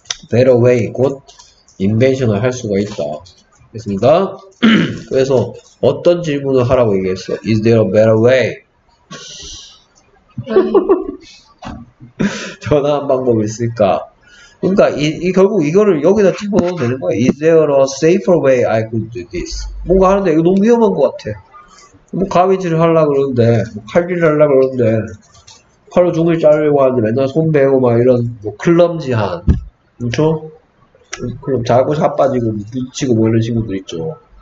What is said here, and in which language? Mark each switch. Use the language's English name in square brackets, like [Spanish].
[Korean] better way, 곧 invention을 할 수가 있다. 됐습니까? 그래서 어떤 질문을 하라고 얘기했어? [English] Is there a better way? [Korean] 더 나은 방법이 있을까? 그러니까 결국 이거를 여기다 집어넣어도 되는 거야. [English] Is there a safer way I could do this? [Korean] 뭔가 하는데 이거 너무 위험한 것 같아. 뭐 가위질을 하려고 그러는데 뭐 칼질을 하려고 그러는데 칼로 종을 자르려고 하는데 맨날 손 베고 막 이런 뭐 클럼지한 그쵸? 그럼 자꾸 자빠지고 미치고 뭐 이런 친구들 있죠.